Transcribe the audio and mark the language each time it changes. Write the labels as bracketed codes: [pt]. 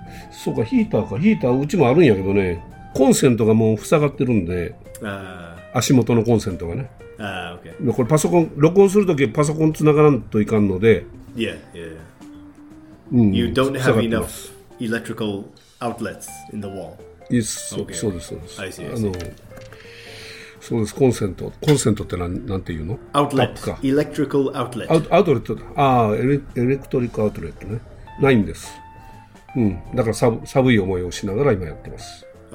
[ja] そうか、ヒーターか。ヒーターうちもあるんやけどね。コンセントがもう塞がってるんで。足元のコンセントがね。 [en] Okay. [ja] これパソコン録音するときパソコンつながらんといかんので。 [en] Yeah. うん。 You don't have enough electrical outlets in the wall. Yes. Okay. [ja] そうですそうです。 [en] I see. I see. [ja] そうです、コンセント。コンセントって なんていうの [en] Outlet. Electrical outlet. [ja] アウトレットだ。ああ、エレクトリックアウトレットね。ないんです。うん。だから寒い思いをしながら今やってます。